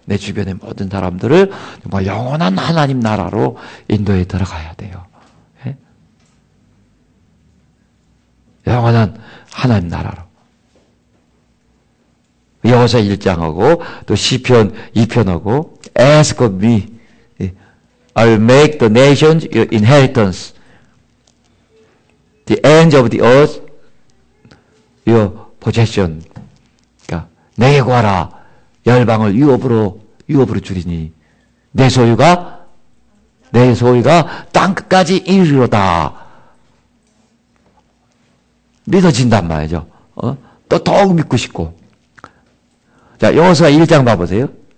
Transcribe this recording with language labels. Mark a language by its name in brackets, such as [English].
[Korean] 내 주변의 모든 사람들을 정말 영원한 하나님 나라로 인도해 들어가야 돼요. 영원한 하나님 나라로. 여호사 1장하고 또 시편 2편하고 [English] Ask of me. I'll make the nations your inheritance. The ends of the earth your possession. [Korean] 그러니까 내게 구하라. 열방을 유업으로 줄이니 내 소유가 땅끝까지 이르리로다. 믿어진단 말이죠. 또 더욱 믿고 싶고. 자, 여호수아 1장 봐보세요.